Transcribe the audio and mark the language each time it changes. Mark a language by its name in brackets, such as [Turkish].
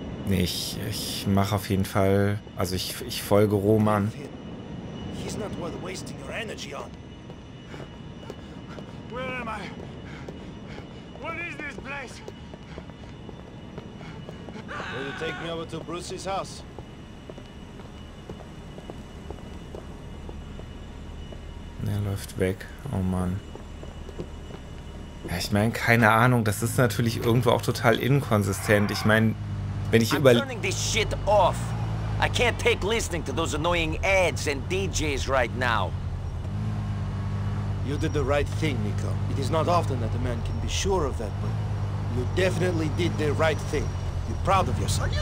[German] Ich mach auf jeden Fall, also ich folge Roman. [English] He's not worth wasting your energy on. Where am I? What is this place? Will you take me over to Bruce's house? [German] Er läuft weg. Oh Mann. Ja, ich meine, keine Ahnung. Das ist natürlich irgendwo auch total inkonsistent. Ich meine, wenn ich über... [English] I'm turning this shit off. I can't take listening to those annoying ads and DJs right now. You did the right thing, Nico. It is not often that a man can be sure of that, but you definitely did the right thing. You're proud of yourself.